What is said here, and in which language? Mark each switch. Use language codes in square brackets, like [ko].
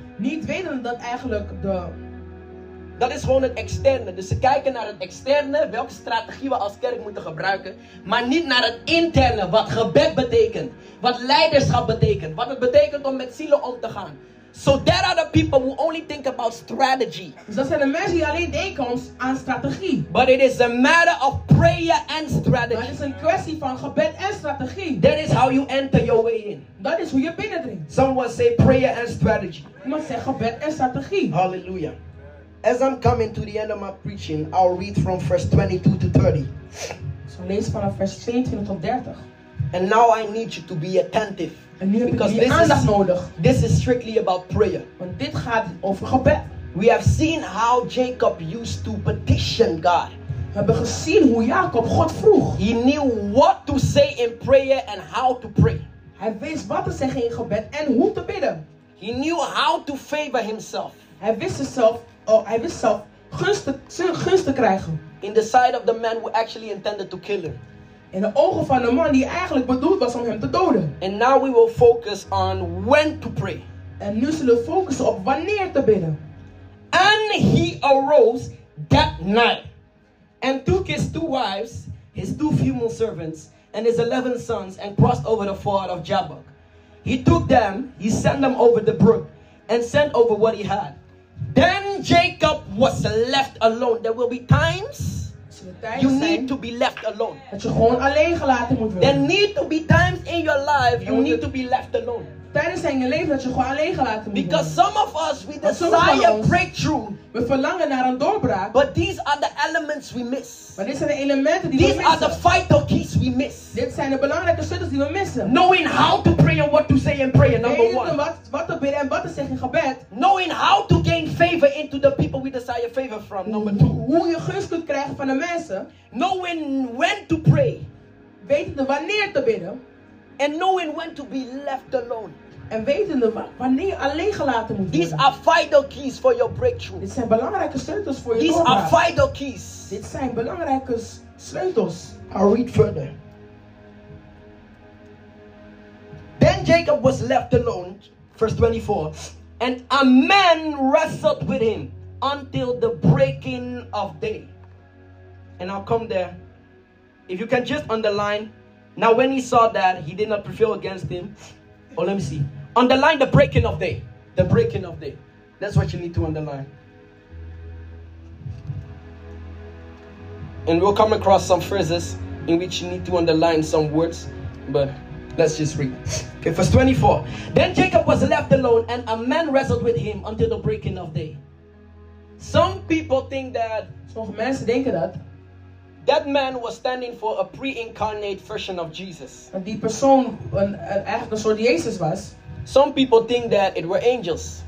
[nl] Niet weten dat eigenlijk de dat is gewoon het externe. Dus ze kijken naar het externe, welke strategie we als kerk moeten gebruiken. Maar niet naar het interne, wat gebed betekent. Wat leiderschap betekent. Wat het betekent om met zielen om te gaan. [en] So there are the people who only think about strategy. [nl] Dus dat zijn de mensen die alleen denken aan strategie. [en] But it is a matter of prayer and strategy. [nl] Maar het is een kwestie van gebed en strategie. [en] That is how you enter your way in. [nl] Dat is hoe je binnendringt. [en] Someone say prayer and strategy. [nl] Iemand zegt gebed en strategie. [en] Hallelujah. As I'm coming to the end of my preaching, I'll read from verse 22 to 30. [nl] So lees vanaf vers 22 tot 30. [en] And now I need you to be attentive. [nl] En nu [en] because [nl] heb ik jullie aandacht nodig. [en] This is strictly about prayer. [nl] Want dit gaat over gebed. [en] We have seen how Jacob used to petition God. [nl] We hebben gezien hoe Jacob God vroeg. [en] He knew what to say in prayer and how to pray. [nl] Hij wist wat te zeggen in gebed en hoe te bidden. [en] He knew how to favor himself. [nl] Hij wist zichzelf. Oh, hij wist zelf gunsten krijgen. [en] In the sight of the man who actually intended to kill him. [nl] In de ogen van de man die eigenlijk bedoeld was om hem te doden. [en] And now we will focus on when to pray. [nl] En nu zullen we focussen op wanneer te bidden. [en] And he arose that night. And took his two wives, his two female servants, and his 11 sons, and crossed over the ford of Jabbok. He took them, he sent them over the brook, and sent over what he had. Then Jacob was left alone. There will be times you need to be left alone. [nl] Dat je gewoon alleen gelaten moet worden. [en] There need to be times in your life you need to be left alone. [nl] Tijdens zijn leven dat je gewoon alleen gelaten moet worden. [en] Because some of us we desire breakthrough. [nl] We verlangen naar een doorbraak. [en] But these are the elements we miss. [nl] Maar dit zijn de elementen die [en] these [nl] we missen. [en] These are the vital keys we miss. [nl] Dit zijn de belangrijke sleutels die we missen. [en] Knowing how to pray and what to say in prayer, number one. [nl] Wat te bidden en wat te zeggen in gebed. [en] Knowing how to gain favor into the people we desire favor. favor from. Number two. [nl] Hoe je gunst kunt krijgen van de mensen. [en] Knowing when to pray. [nl] Wetende wanneer te bidden. [en] And knowing when to be left alone. [nl] En wetende wanneer alleen gelaten moet worden. [en] These are vital keys for your breakthrough. [nl] Dit zijn belangrijke sleutels voor je doorbraak. [en] These are vital keys. [nl] Dit zijn belangrijke sleutels. [en] I'll read further. Then Jacob was left alone, verse 24, and a man wrestled with him until the breaking of day. And I'll come there. If you can just underline, now when he saw that, he did not prevail against him. Oh, let me see. Underline the breaking of day. The breaking of day. That's what you need to underline. And we'll come across some phrases in which you need to underline some words, but let's just read. Okay, verse 24. Then Jacob was left alone, and a man wrestled with him until the breaking of day. Some people think that. [nl] Sommige mensen denken dat. [en] That man was standing for a pre-incarnate version of Jesus. [nl] Die persoon eigenlijk een soort Jezus was. [en] Some people think that it were angels.